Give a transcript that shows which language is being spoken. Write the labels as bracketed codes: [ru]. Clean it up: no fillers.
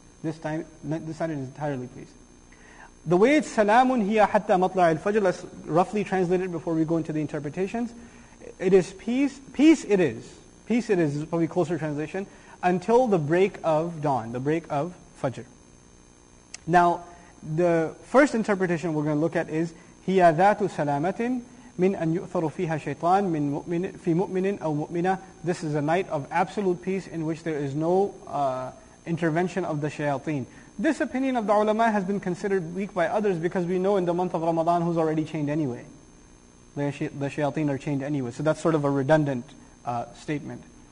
[en] This night is entirely peace. The way it's [ar] salamun hiya hatta matla' al-fajr, [en] let's roughly translate it before we go into the interpretations. It is peace. Peace it is. Peace it is probably closer translation, until the break of dawn, the break of Fajr. Now, the first interpretation we're going to look at is, [ar] هِيَا ذَاتُ سَلَامَةٍ مِنْ أَنْ يُؤْثَرُ فِيهَا شَيْطَانٍ مِنْ مُؤْمِنٍ فِي مُؤْمِنٍ أَوْ مُؤْمِنَةٍ. [en] This is a night of absolute peace in which there is no intervention of the shayateen. This opinion of the ulama has been considered weak by others because we know in the month of Ramadan who's already chained anyway. The shayateen are chained anyway. So that's sort of a redundant statement.